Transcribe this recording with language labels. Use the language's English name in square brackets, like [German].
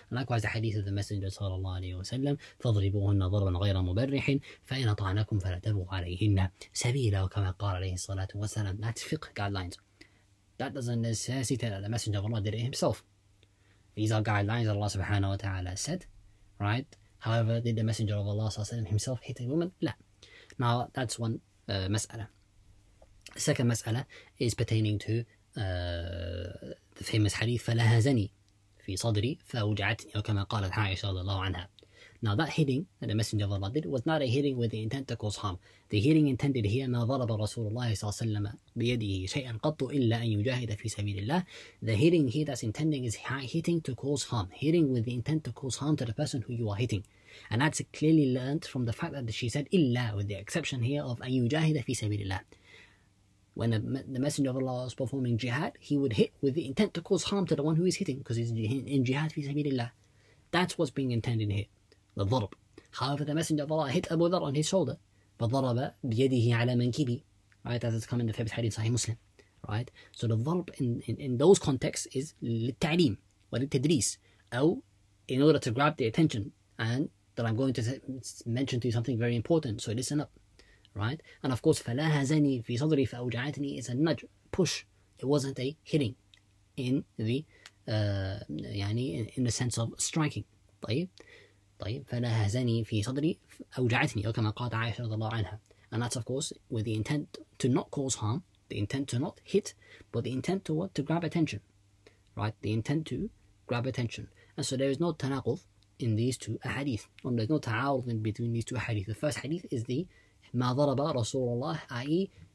[English] Likewise the hadith of the messenger [Arabic] صلى الله عليه وسلم فاضربوهن ضربا غير مبرح فإن أطعنكم فلا تبغوا عليهن سبيلا. وكما قال عليه الصلاة والسلام, [English] that's fiqh guidelines. That doesn't necessitate that the Messenger of Allah did it himself. These are guidelines that Allah subhanahu wa ta'ala said, right? However, did the Messenger of Allah sallallahu alayhi wa sallam himself hit a woman? لا. Now, that's one mas'ala. The second mas'ala is pertaining to the famous hadith, [Arabic] فَلَهَزَنِي فِي صَدْرِي فَوْجَعَتْنِي وَكَمَا قَالَتْ عَائِشَ رَضِيَ اللَّهُ عَنْهَا. [English] Now that hitting that the Messenger of Allah did was not a hitting with the intent to cause harm. The hitting intended here, [Arabic] ما ضرب رسول الله صلى الله عليه وسلم بيده شيئا قط إلا أن يجاهد في سبيل الله. [English] The hitting here that's intending is hitting to cause harm. Hitting with the intent to cause harm to the person who you are hitting. And that's clearly learned from the fact that she said إلا, with the exception here of [Arabic] أن يجاهد في سبيل الله. [English] When the Messenger of Allah was performing jihad, he would hit with the intent to cause harm to the one who is hitting, because he's in jihad [Arabic] في سبيل الله. [English] That's what's being intended here. The ضرب. However, the Messenger of Allah hit Abu Dharr on his shoulder. [Arabic] فضرب بيده على منكبي. [English] Right, as it's come in the fifth hadith Sahih Muslim. Right. So the ضرب in those contexts is [Arabic] للتعليم وللتدريس, [English] أو in order to grab the attention and that I'm going to mention to you something very important. So listen up. Right. And of course, [Arabic] فلا هزني في صدري فأوجعتني [English] is a nudge, push. It wasn't a hitting, in the in the sense of striking. [Arabic] طيب. فلا هزني في صدري أوجعتني وكما قالت عائشة رضي الله عنها. [English] And that's of course with the intent to not cause harm, the intent to not hit, but the intent to what? To grab attention. Right? The intent to grab attention. And so there is no تناقض in these two hadith. And there's no تعارض in between these two hadith. The first hadith is the [Arabic] ما ضرب رسول الله, [English] i.e.